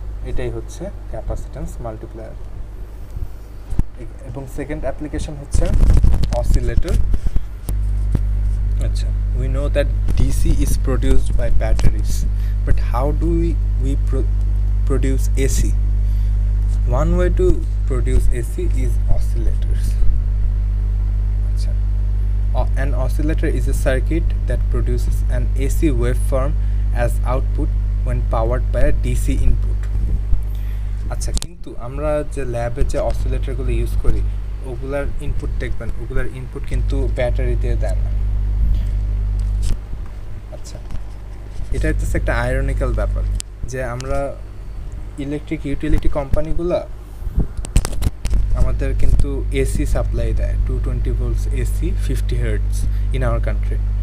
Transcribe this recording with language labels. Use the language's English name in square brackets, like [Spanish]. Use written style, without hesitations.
[Bangla] এটাই হচ্ছে capacitance multiplier. এবং সেকেন্ড অ্যাপ্লিকেশন হচ্ছে অসিলেটর। [English] আচ্ছা, we know that DC is produced by batteries, but how do we produce AC? One way to produce AC is oscillators. An oscillator is a circuit that produces an AC waveform as output when powered by a DC input. [Bangla] আচ্ছা, কিন্তু আমরা যে ল্যাবে যে অসিলেটরগুলো use করি ওগুলার input দেখবেন, ওগুলার ইনপুট কিন্তু ব্যাটারি দিয়ে দেয় না। আচ্ছা, এটা হচ্ছে একটা আয়রনিক্যাল ব্যাপার যে আমরা ইলেকট্রিক ইউটিলিটি কোম্পানিগুলো আমাদের কিন্তু AC সাপ্লাই দেয়, 220 volts AC 50 hertz [English] In our country.